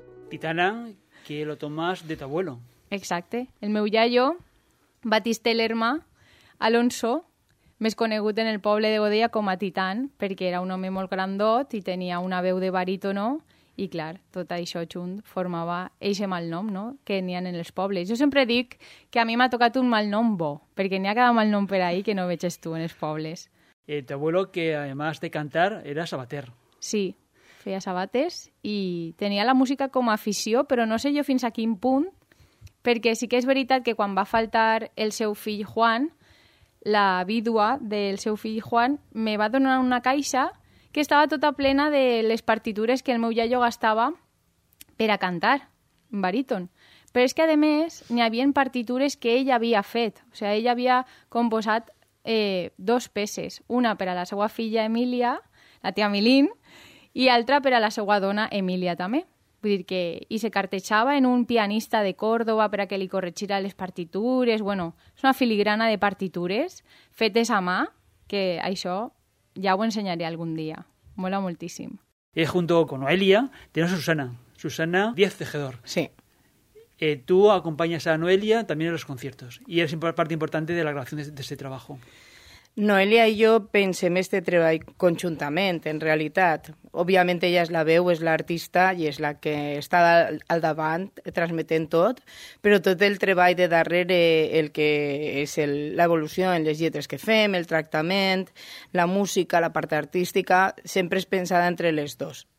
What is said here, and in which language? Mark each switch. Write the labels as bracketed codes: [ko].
[es] Titana, que lo tomas de tu abuelo. [ca] Exacte. El meu iaio, Batiste Lerma Alonso, més conegut en el poble de Godella com a Titán, perquè era un home molt grandot i tenia una veu de barítono, i clar, tot això junt formava eixe mal nom, no?, que n'hi ha en els pobles. Jo sempre dic que a mi m'ha tocat un mal nom bo, perquè n'hi ha cada mal nom per ahí que no veges tu en els pobles. Tu abuelo, que además de cantar, era sabater. Sí, feia sabates i tenia la música com a afició, però no sé jo fins a quin punt, perquè sí que és veritat que quan va faltar el seu fill Juan, la vídua del seu fill Juan, me va donar una caixa que estava tota plena de les partitures que el meu iaio gastava per a cantar, en baríton. Però és que, a més, n'hi havia partitures que ell havia fet. O sigui, ell havia composat dos peces, una per a la seva filla Emília, la tia Milín, i altra per a la seva dona, Emília, també. Vull dir que... I se cartejava en un pianista de Córdoba per a que li corregira les partitures. Bueno, és una filigrana de partitures fetes a mà, que això ja ho ensenyaré algun dia. Mola moltíssim. [es] I junto con Noelia tenemos a Susana. Susana Díaz Tejedor. Sí. Tú acompañas a Noelia también en los conciertos. Y eres parte importante de la grabación de este trabajo. [ca] Noelia i jo pensem este treball conjuntament, en realitat. Òbviament ella és la veu, és l'artista i és la que està al davant transmetent tot, però tot el treball de darrere, el que és l'evolució en les lletres que fem, el tractament, la música, la part artística, sempre és pensada entre les dues.